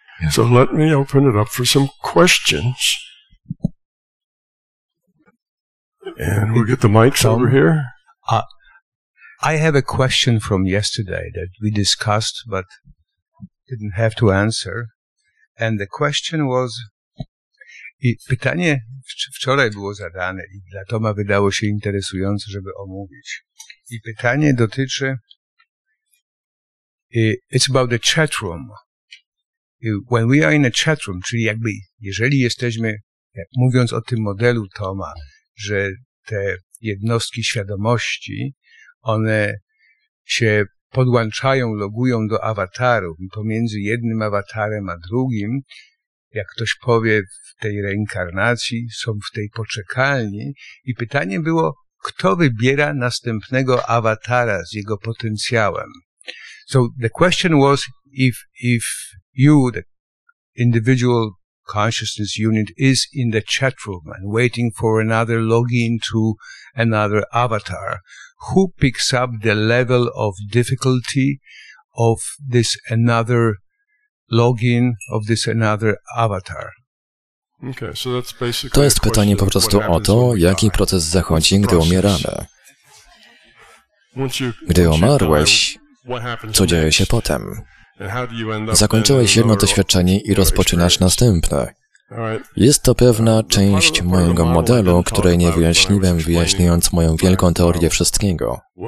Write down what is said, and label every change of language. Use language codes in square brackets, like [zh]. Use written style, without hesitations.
[en] So let me open it up for some questions. And we'll get the mics over here. I have a question from yesterday that we discussed but didn't have to answer. And the question was, [pl] pytanie wczoraj było zadane i dla Toma wydało się interesujące, żeby omówić. I pytanie dotyczy, [en] it's about the chat room. When we are in a chat room, [pl] czyli jakby, jeżeli jesteśmy, mówiąc o tym modelu Toma, że te jednostki świadomości, one się podłączają, logują do awatarów i pomiędzy jednym awatarem a drugim, jak ktoś powie w tej reinkarnacji, są w tej poczekalni. I pytanie było, kto wybiera następnego awatara z jego potencjałem? [en] So the question was, if you, the individual consciousness unit, is in the chat room and waiting for another login to another avatar, who picks up the level of difficulty of this another login of this another avatar? Okay, so that's basically. [pl] To jest pytanie po prostu o to, jaki proces zachodzi, gdy umieramy. Gdy umarłeś, co dzieje się potem? Zakończyłeś jedno doświadczenie i rozpoczynasz następne. Jest to pewna część mojego modelu, której nie wyjaśniłem, wyjaśniając moją wielką teorię wszystkiego.